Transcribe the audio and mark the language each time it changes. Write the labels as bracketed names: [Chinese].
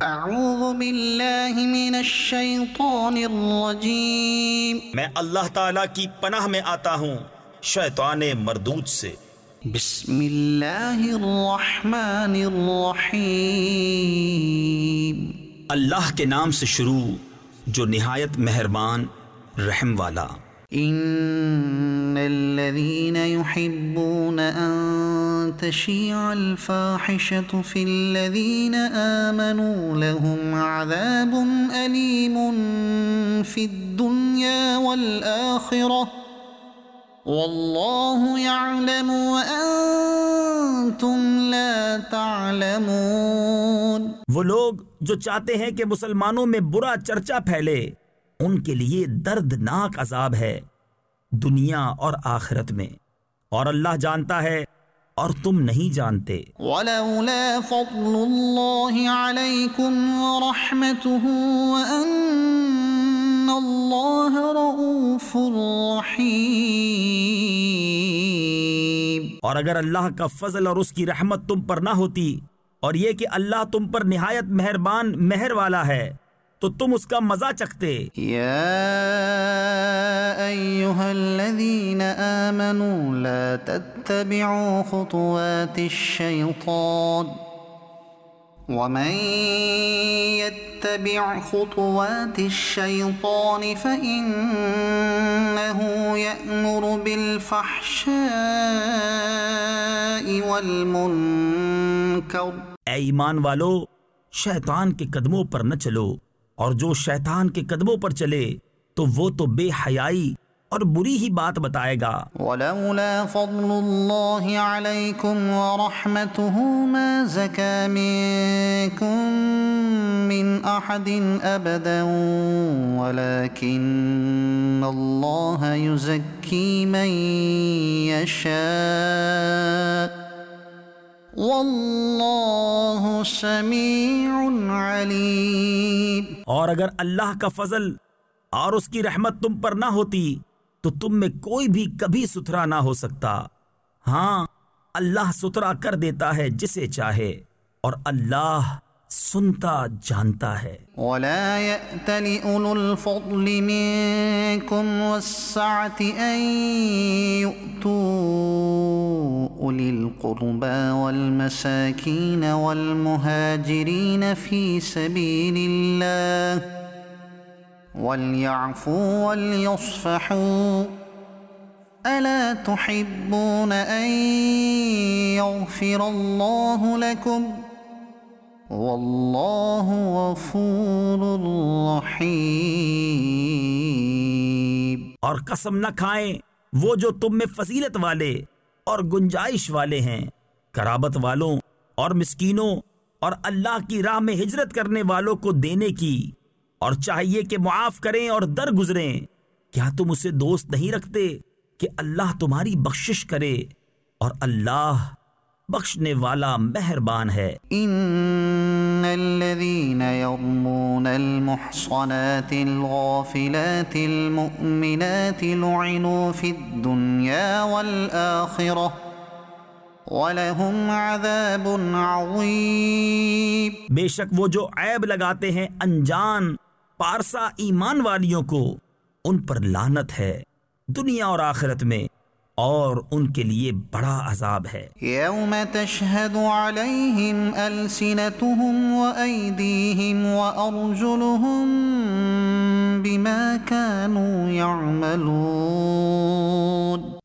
[Arabic] أعوذ بالله من الشيطان الرجيم [Urdu] میں اللہ تعالیٰ کی پناہ میں آتا ہوں شیطان مردود سے [Arabic] بسم اللہ الرحمن الرحیم [Urdu] اللہ کے نام سے شروع جو نہایت مہربان رحم والا [Arabic] إن الذين يحبون أن تشيع الفاحشة في الذين آمنوا لهم عذاب أليم في الدنيا والآخرة والله يعلم وأنتم لا تعلمون [Urdu] وہ لوگ جو چاہتے ہیں کہ مسلمانوں میں برا چرچا پھیلے ان کے لیے دردناک عذاب ہے دنیا اور آخرت میں اور اللہ جانتا ہے اور تم نہیں جانتے [Arabic] ولولا فضل اللہ علیکم ورحمته وان اللہ رؤوف رحیم [Urdu] اور اگر اللہ کا فضل اور اس کی رحمت تم پر نہ ہوتی اور یہ کہ اللہ تم پر نہایت مہربان مہر والا ہے تو تم اس کا مزہ چکھتے [Arabic] یا ایہا الذین آمنوا لا تتبعوا خطوات الشیطان ومن یتبع خطوات الشیطان فإنه یأمر بالفحشاء والمنکر [Urdu] اے ایمان والو شیطان کے قدموں پر نہ چلو اور جو شیطان کے قدموں پر چلے تو وہ تو بے حیائی اور بری ہی بات بتائے گا۔ [Arabic] ولولا فضل اللہ علیکم ورحمته ما زکا منکم من احد ابدا ولکن اللہ یزکی من یشاء واللہ سمیع علیم۔ [Urdu] اور اگر اللہ کا فضل اور اس کی رحمت تم پر نہ ہوتی تو تم میں کوئی بھی کبھی ستھرا نہ ہو سکتا، ہاں اللہ ستھرا کر دیتا ہے جسے چاہے، اور اللہ سنتا جانتا ہے۔ [Arabic] وَلَا يَأْتَلِ أُولُو الْفَضْلِ مِنْكُمْ وَالسَّعَةِ أَن يُؤْتُوا أُولِي الْقُرْبَى وَالْمَسَاكِينَ وَالْمُهَاجِرِينَ فِي سَبِيلِ اللَّهِ وليعفوا وليصفحوا ألا تحبون أن يغفر الله لكم والله غفور رحيم۔ [Urdu] اور قسم نہ کھائیں وہ جو تم میں فضیلت والے اور گنجائش والے ہیں، قرابت والوں اور مسکینوں اور اللہ کی راہ میں ہجرت کرنے والوں کو دینے کی، اور چاہیے کہ معاف کریں اور در گزریں، کیا تم اسے دوست نہیں رکھتے کہ اللہ تمہاری بخشش کرے، اور اللہ بخشنے والا مہربان ہے۔ [Arabic] ان الذين يرمون المحصنات الغافلات المؤمنات لعنوا في الدنيا والآخرة ولهم عذاب عظيم۔ [Urdu] بے شک وہ جو عیب لگاتے ہیں انجان پارسا ایمان والیوں کو، ان پر لعنت ہے دنیا اور آخرت میں، اور ان کے لیے بڑا عذاب ہے۔ [Arabic] یوم تشہد علیہم السنتہم و ایدیہم و ارجلہم بما کانوا یعملون۔